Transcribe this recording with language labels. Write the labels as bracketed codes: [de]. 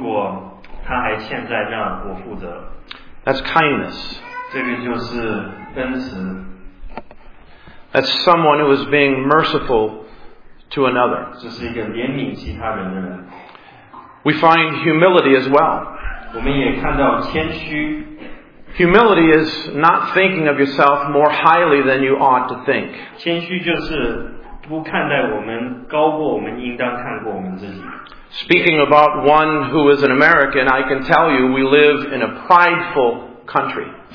[zh] 还告诉宾馆的主人说，如果他还欠债，那我负责。 [en] That's kindness. [zh] 这个就是恩慈。 [en] That's someone who is being merciful to another. [zh] 这是一个怜悯其他人的人。 [en] We find humility as well. [zh] 我们也看到谦虚。 [en] Humility is not thinking of yourself more highly than you ought to think. [zh] 谦虚就是不看待我们，高过我们应当看过我们自己。 [en] Speaking about one who is an American, I can tell you we live in a prideful country.